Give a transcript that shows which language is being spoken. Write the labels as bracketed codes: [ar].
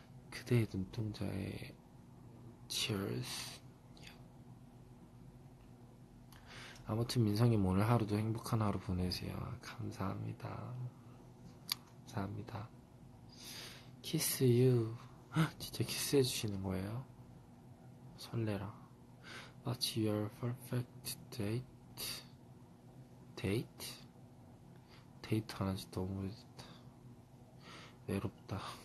[ko] 그대의 눈동자에 Cheers. 아무튼 민성이 오늘 하루도 행복한 하루 보내세요. 감사합니다. 감사합니다. [en] Kiss you. [ko] 진짜 키스해 주시는 거예요? 설레라. [en] What's your perfect date? [ko] 데이트? 데이트 하는지 너무 외롭다.